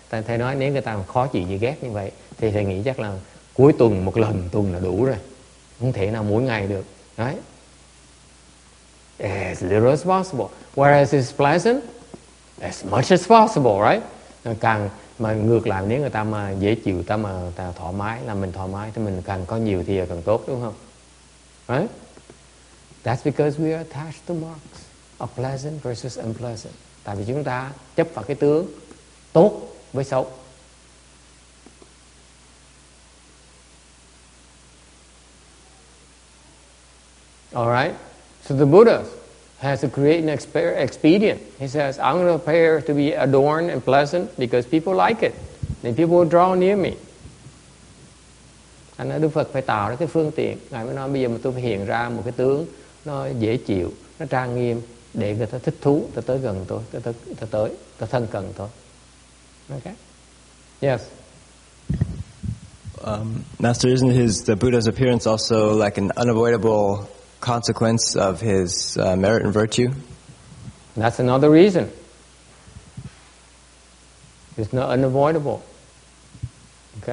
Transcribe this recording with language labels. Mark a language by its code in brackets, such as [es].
[vi] Thầy nói nếu người ta khó chịu gì ghét như vậy thì thầy nghĩ chắc là cuối tuần một lần tuần là đủ rồi. Không thể nào mỗi ngày được. [en] Right? As little as possible. Whereas it's pleasant, as much as possible, right? [vi] Càng mà ngược lại nếu người ta mà dễ chịu, ta mà ta thoải mái, là mình thoải mái thì mình càng có nhiều thì càng tốt, đúng không? [en] Right? That's because we are attached to marks of pleasant versus unpleasant. [vi] Tại vì chúng ta chấp vào cái tướng tốt với xấu. [en] All right. So the Buddha has to create an expedient. He says, I'm going to appear to be adorned and pleasant because people like it. Then people will draw near me. [vi] Anh nói Đức Phật phải tạo ra cái phương tiện. Ngài mới nói bây giờ mà tôi phải hiện ra một cái tướng nó dễ chịu, nó trang nghiêm để người ta thích thú, ta tới gần tôi, ta thân cận tôi. Okay. Yes. [en] Master, isn't the Buddha's appearance also like an unavoidable consequence of his merit and virtue? That's another reason. It's not unavoidable. Okay.